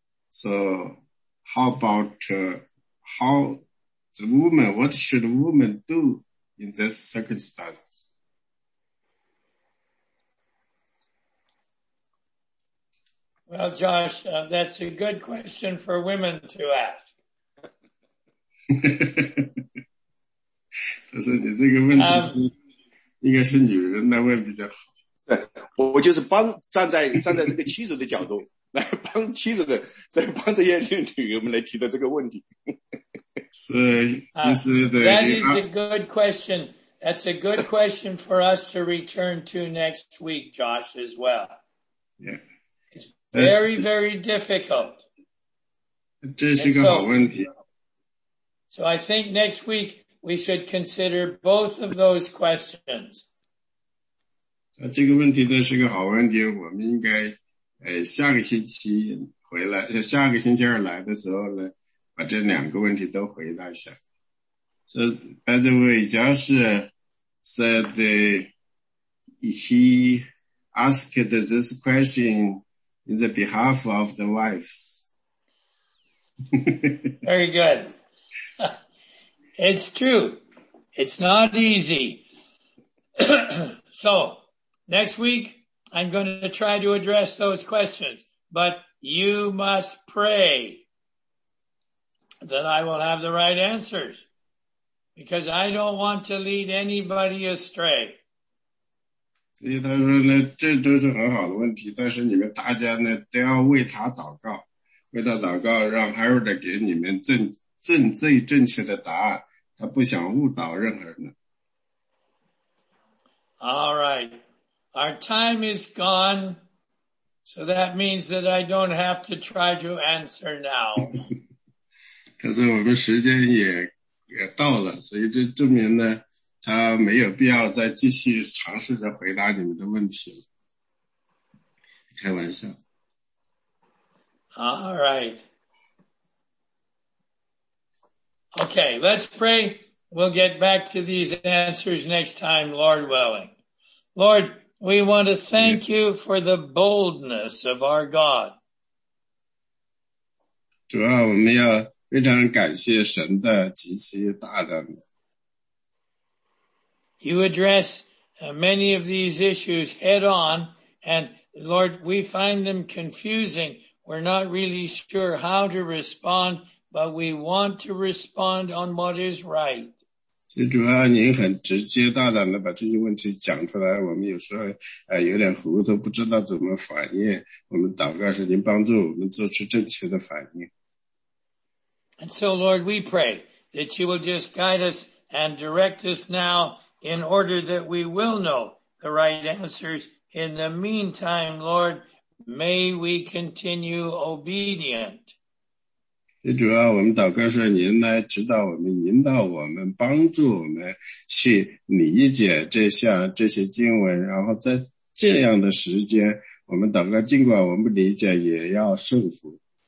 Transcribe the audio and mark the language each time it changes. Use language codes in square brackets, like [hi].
[en] So how about, how the woman, what should the woman do in this circumstance? Well, Josh, that's a good question for women to ask. [zh] 但是你这个问题是应该是女人来问比较好。我就是帮站在这个妻子的角度来帮妻子的，在帮这些女人们来提的这个问题。是，就是的。 [en] That is a good question. That's a good question for us to return to next week, Josh, as well. Yeah. It's very, very difficult. [zh] 这是一个好问题。 [en] So I think next week we should consider both of those questions. [zh] 这个问题真是个好问题，我们应该，下个星期回来，下个星期二来的时候呢，把这两个问题都回答一下。 [en] So, by the way, Josh said, he asked this question in the behalf of the wives. Very good. It's true. It's not easy. So, next week, I'm going to try to address those questions, but you must pray that I will have the right answers, because I don't want to lead anybody astray. [zh] 所以他说呢，这都是很好的问题，但是你们大家呢，都要为他祷告，为他祷告，让 Harold 给你们最正确的答案，他不想误导任何人。 [en] All right. Our time is gone, so that means that I don't have to try to answer now. [zh] 可是我们时间也到了，所以这证明呢，他没有必要再继续尝试着回答你们的问题了。开玩笑。 [en] All right. Okay, let's pray. We'll get back to these answers next time, Lord willing. Lord, we want to thank you for the boldness of our God. [zh] 主啊，我们要非常感谢神的极其大胆。 [en] You address many of these issues head on, and Lord, we find them confusing. We're not really sure how to respond, but we want to respond on what is right. [zh] 其实主啊，您很直接大胆地把这些问题讲出来，我们有时候有点糊涂，不知道怎么反应。我们祷告是您帮助我们做出正确的反应。 [en] And so, Lord, we pray that you will just guide us and direct us now in order that we will know the right answers. In the meantime, Lord, may we continue obedient. [zh] 主要我们祷告说您来指导我们引导我们帮助我们去理解这些经文，然后在这样的时间我们祷告尽管我们不理解也要顺服。